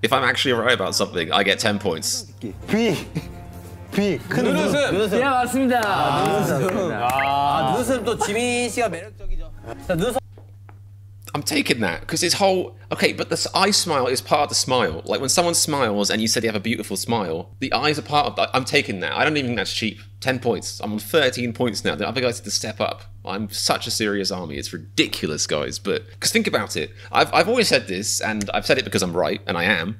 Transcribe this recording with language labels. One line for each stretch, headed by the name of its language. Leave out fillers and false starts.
English: If I'm actually right about something, I get 10 points. B. B.
Korean: 큰 눈웃음. 눈웃음. 예, 맞습니다. 눈웃음 또 지민 씨가 매력적이죠.
English: I'm taking that because his whole okay, but the eye smile is part of the smile. Like when someone smiles and you said they have a beautiful smile, the eyes are part of that. I'm taking that. I don't even think that's cheap. 10 points. I'm on 13 points now. The other guys need to step up. I'm such a serious army. It's ridiculous, guys. But because think about it, I've always said this, and I've said it because I'm right, and I am.